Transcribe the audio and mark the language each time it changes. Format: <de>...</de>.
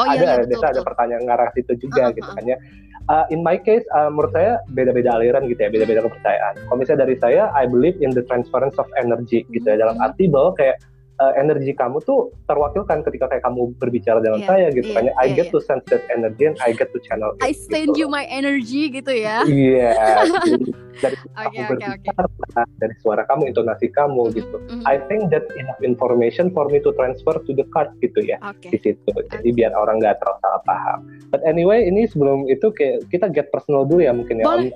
<id>Ada pertanyaan ngarah situ juga gitu kan ya.</id> <en>In my case,</en> <id>menurut saya beda-beda aliran gitu ya, beda-beda kepercayaan. Kalau misalnya dari saya,</id> <en>I believe in the transference of energy</en> <id>gitu ya, dalam arti bahwa kayak energi kamu tuh terwakilkan ketika kayak kamu berbicara dengan saya gitu kan.</id> <en>I get to sense that energy and I get to channel it. I send you my energy</en> <id>gitu ya. Iya. Dari kamu berbicara, dari suara kamu, intonasi kamu gitu.</id> <en>I think that enough information for me to transfer to the card</en> <id>gitu ya. Di situ. Jadi biar orang gak terlalu salah paham.</id> <en>But anyway,</en> <id>ini sebelum itu kayak kita</id> <en>get personal</en> <id>dulu ya mungkin ya.</id>